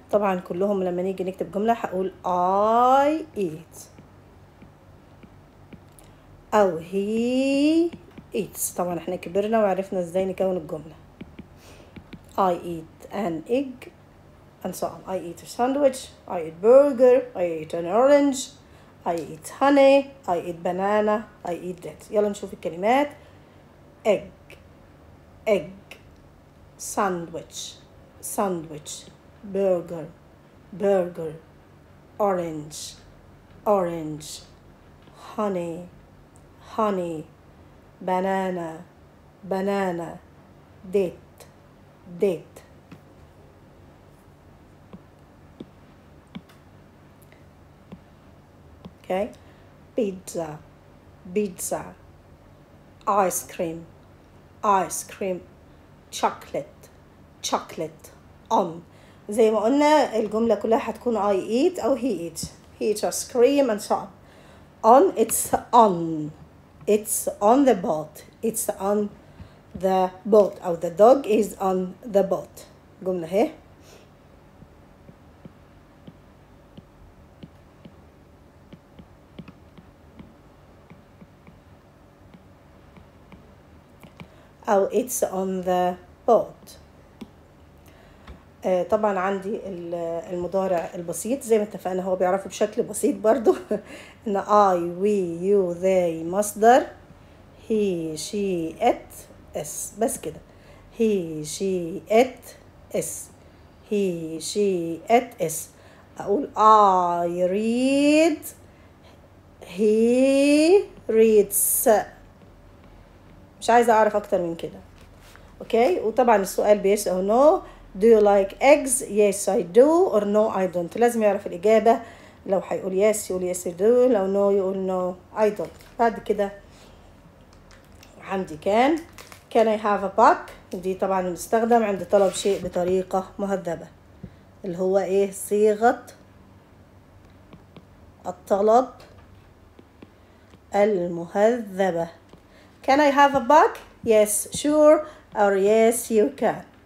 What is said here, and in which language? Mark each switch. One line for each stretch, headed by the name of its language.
Arabic: طبعا كلهم لما نيجي نكتب جملة هقول اي ايت او هي ايتس. طبعا احنا كبرنا وعرفنا ازاي نكون الجملة. اي ايت ان ايج
English: and so on. I eat a sandwich, I eat burger, I eat an orange, I eat honey, I eat banana, I eat that.
Arabic: يلا نشوف الكلمات:
English: egg, egg, sandwich, sandwich, burger, burger, orange, orange, honey, honey, banana, banana, date, date. Okay. Pizza, pizza, ice cream, ice cream, chocolate, chocolate, on.
Arabic: زي ما قلنا الجملة كلها هتكون
English: I eat
Arabic: أو
English: he eat. He eats ice cream and so on. On, it's on. It's on the boat. It's on the boat. أو the dog is on the boat.
Arabic: جملة هي.
English: أو it's on the boat.
Arabic: طبعا عندي المضارع البسيط زي ما اتفقنا هو بيعرفه بشكل بسيط برضو.
English: إن I, we, you, they مصدر. He, she, it, is.
Arabic: بس كده.
English: He, she, it, is. He, she, it, is. أقول I read. He reads.
Arabic: مش عايزة أعرف أكتر من كده. أوكي. وطبعا السؤال بيس أو نو.
English: Do you like eggs? Yes I do or no I don't.
Arabic: لازم يعرف الإجابة. لو هيقول
English: yes يقول yes I do. لو no يقول no I don't.
Arabic: بعد كده عندي كان.
English: Can I have a pack؟
Arabic: دي طبعا مستخدم عند طلب شيء بطريقة مهذبة. اللي هو إيه؟ صيغة الطلب المهذبة.
English: Can I have a bag? Yes, sure. Or yes, you can.